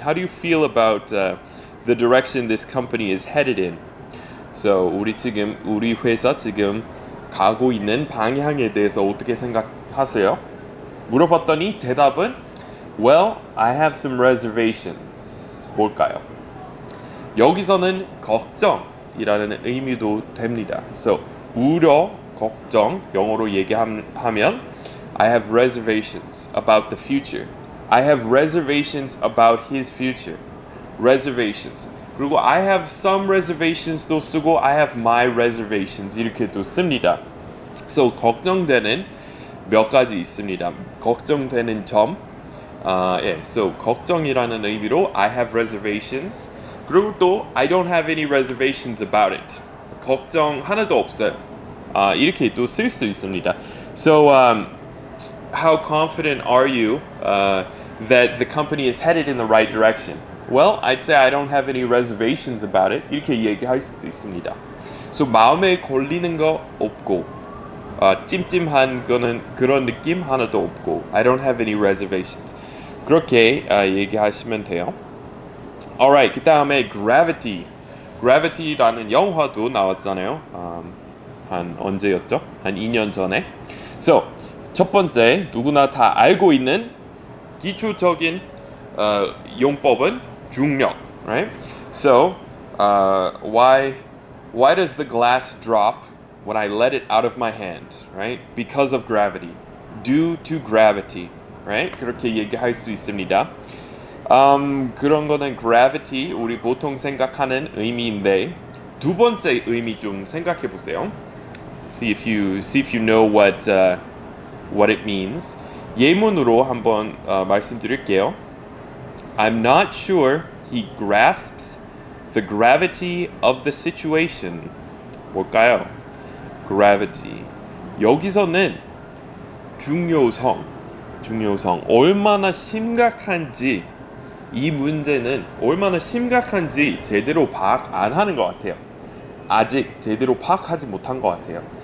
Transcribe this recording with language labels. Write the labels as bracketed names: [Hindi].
[English] How do you feel about the direction this company is headed in? [Korean] So 우리 회사 지금 가고 있는 방향에 대해서 어떻게 생각하세요? 물어봤더니 대답은 [English] Well, I have some reservations. [Korean] 뭘까요? 여기서는 걱정이라는 의미도 됩니다. [English] So [Korean] 우려, 걱정, 영어로 얘기하면 [English] I have reservations about the future. I have reservations about his future. Reservations. 그리고 I have some reservations도 쓰고 I have my reservations [Korean] 이렇게도 씁니다. So 걱정되는 몇 가지 있습니다. 걱정되는 점. So 걱정이라는 의미로 [English] I have reservations. [Korean] 그리고 또 [English] I don't have any reservations about it. [Korean] 걱정 하나도 없어요. 이렇게 또 쓸 수 있습니다. [English] So how confident are you that the company is headed in the right direction? Well, I'd say I don't have any reservations about it. [Korean] 이렇게 얘기할 수도 있습니다. So 마음에 걸리는 거 없고 찜찜한 거는 그런 느낌 하나도 없고 [English] I don't have any reservations. [Korean] 그렇게 얘기하시면 돼요. Alright, 그 다음에 Gravity. Gravity라는 영화도 나왔잖아요. 한 언제였죠? 한 2년 전에. So, 첫 번째 누구나 다 알고 있는 기초적인 용법은 중력. [English] Right? So, why does the glass drop when I let it out of my hand? Right? Because of gravity. Due to gravity. Right? [Korean] 그렇게 얘기할 수 있습니다. 그런 거는 gravity, 우리 보통 생각하는 의미인데 두 번째 의미 좀 생각해 보세요. [English] See if you know what it means. [Korean] 예문으로 한번 말씀드릴게요. [English] I'm not sure he grasps the gravity of the situation. [Korean] 뭘까요? Gravity. 여기서는 중요성. 중요성 얼마나 심각한지 이 문제는 얼마나 심각한지 제대로 파악 안 하는 것 같아요. 아직 제대로 파악하지 못한 것 같아요.